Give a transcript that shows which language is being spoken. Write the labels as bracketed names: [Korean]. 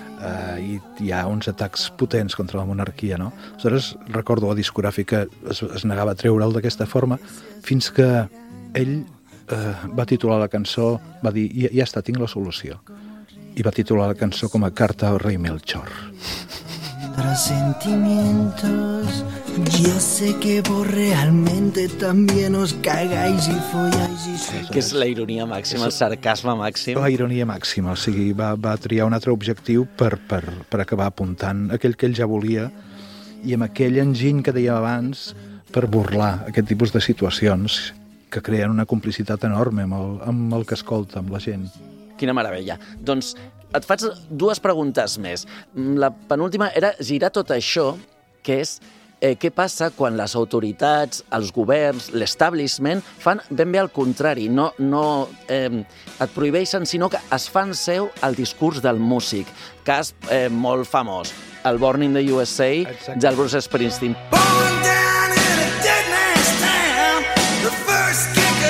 [Catalan] I hi ha uns atacs potents contra la monarquia, no? Aleshores, recordo la discogràfica, es negava a treure'l d'aquesta forma, fins que ell va titular la cançó, va dir, ja està, tinc la solució. I va titular la cançó com a Carta al rei Melchor. [Spanish] Sentimientos, ya sé que vos realmente también os cagáis y folláis y... [Catalan] Que és la ironia màxima, el sarcasme màxim. La ironia màxima, o sigui, va triar un altre objectiu per acabar apuntant aquell que ell ja volia i amb aquell enginy que deia abans per burlar aquest tipus de situacions que creen una complicitat enorme amb el que escolta, amb la gent. Quina meravella. Doncs et faig dues preguntes més. La penúltima era girar tot això, que és què passa quan les autoritats, els governs, l'establishment fan ben bé el contrari, no et prohibeixen, sinó que es fan seu el discurs del músic. Cas molt famós, el Born in the USA del Bruce Springsteen. [English] Born down in a dead man's town, the first kid.